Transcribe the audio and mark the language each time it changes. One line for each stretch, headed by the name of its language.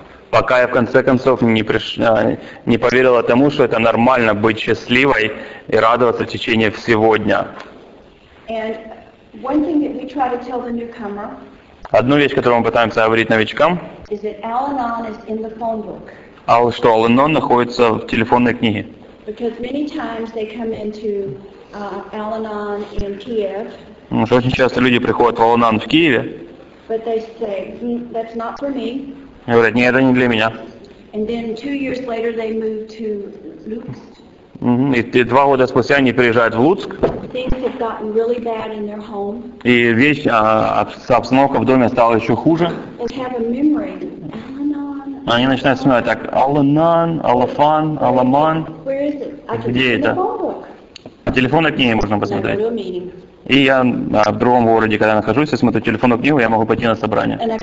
Russian: Пока я в конце концов не поверила тому, что это нормально быть счастливой и радоваться в течение всего дня.
English: And one thing that we try to tell the newcomer,
Russian: одну вещь, которую мы пытаемся говорить новичкам,
English: is that Al-Anon is in the phone book.
Russian: Что Al-Anon находится в телефонной книге.
English: Because many times they come into Al-Anon in Kiev.
Russian: Очень часто люди приходят в Al-Anon в Киеве.
English: But they say, that's not for me.
Russian: Говорят, нет, это не для меня.
English: And then 2 years later they move to Lutsk.
Russian: И 2 года спустя они приезжают в Луцк.
English: Things have gotten really bad in their home.
Russian: И обстановка в доме стала еще хуже.
English: And have a memory.
Russian: Они начинают вспоминать так, Al-Anon, Al-Afan, Al-Aman. Где это? По телефонной книге можно посмотреть. И я в другом городе, когда нахожусь, я смотрю телефонную книгу, я могу пойти на собрание.